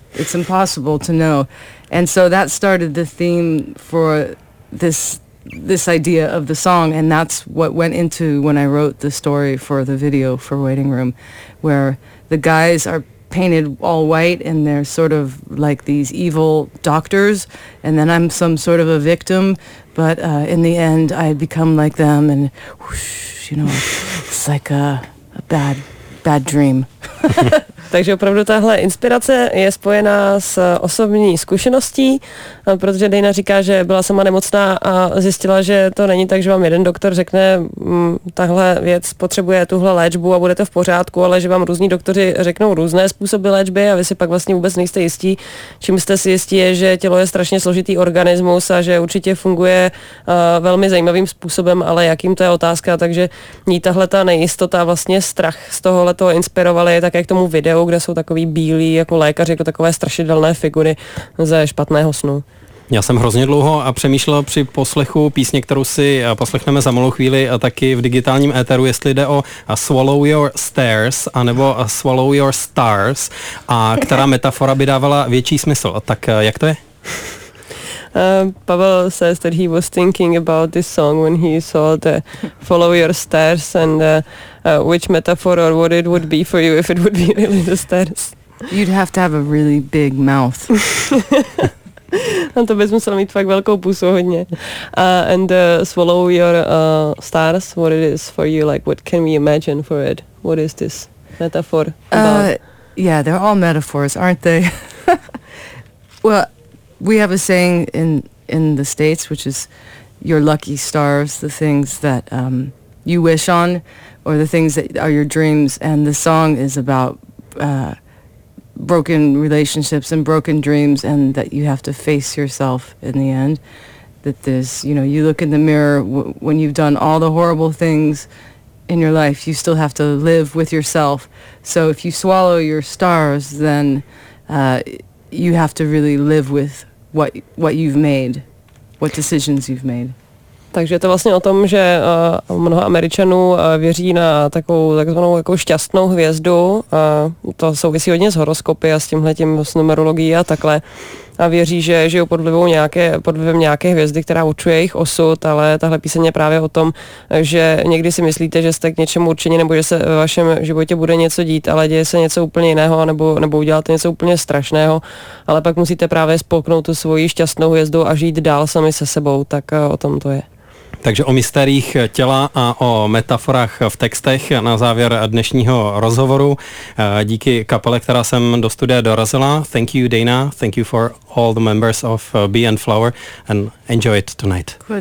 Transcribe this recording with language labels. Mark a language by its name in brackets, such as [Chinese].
[English] It's impossible to know. And so that started the theme for this idea of the song, and that's what went into when I wrote the story for the video for Waiting Room, where the guys are painted all white and they're sort of like these evil doctors, and then I'm some sort of a victim, but in the end I become like them, and whoosh, you know, it's like a bad dream. [Czech] Takže opravdu tahle inspirace je spojená s osobní zkušeností, protože Dana říká, že byla sama nemocná a zjistila, že to není tak, že vám jeden doktor řekne, tahle věc potřebuje tuhle léčbu a budete v pořádku, ale že vám různí doktoři řeknou různé způsoby léčby a vy si pak vlastně vůbec nejste jistí. Čím jste si jistí, je, že tělo je strašně složitý organismus a že určitě funguje velmi zajímavým způsobem, ale jakým, to je otázka, takže ní tahle ta nejistota, vlastně strach z tohohle toho inspirovali, tak jak tomu video, kde jsou takový bílí jako lékaři, jako takové strašidelné figury ze špatného snu. Já jsem hrozně dlouho a přemýšlel při poslechu písně, kterou si poslechneme za malou chvíli a taky v digitálním éteru, jestli jde o Swallow Your Stairs anebo Swallow Your Stars, a která metafora by dávala větší smysl. Tak jak to je? [English] Pavel says that he was thinking about this song when he saw the Follow Your Stairs, and which metaphor or what it would be for you if it would be really the stairs. You'd have to have a really big mouth. [Czech] A to bys musel mít fakt velkou pusu, hodně. [English] And Swallow Your Stars, what it is for you, like what can we imagine for it? What is this metaphor about? Yeah, they're all metaphors, aren't they? Well, we have a saying in the States, which is your lucky stars, the things that you wish on, or the things that are your dreams. And the song is about broken relationships and broken dreams, and that you have to face yourself in the end. That there's, you know, you look in the mirror when you've done all the horrible things in your life, you still have to live with yourself. So if you swallow your stars, then you have to really live with what you've made, what decisions you've made. [Czech] Takže je to vlastně o tom, že mnoho Američanů věří na takzvanou jako šťastnou hvězdu. To souvisí hodně s horoskopy a s tímhletím, s numerologií a takhle. A věří, že žijou pod vlivem nějaké hvězdy, která určuje jejich osud, ale tahle píseň je právě o tom, že někdy si myslíte, že jste k něčemu určeni, nebo že se ve vašem životě bude něco dít, ale děje se něco úplně jiného, nebo uděláte něco úplně strašného, ale pak musíte právě spolknout tu svoji šťastnou hvězdu a žít dál sami se sebou, tak o tom to je. Takže o mistériích těla a o metaforách v textech na závěr dnešního rozhovoru. Díky kapele, která sem do studia dorazila. [English] Thank you, Dana. Thank you for all the members of Bee and Flower. And enjoy it tonight.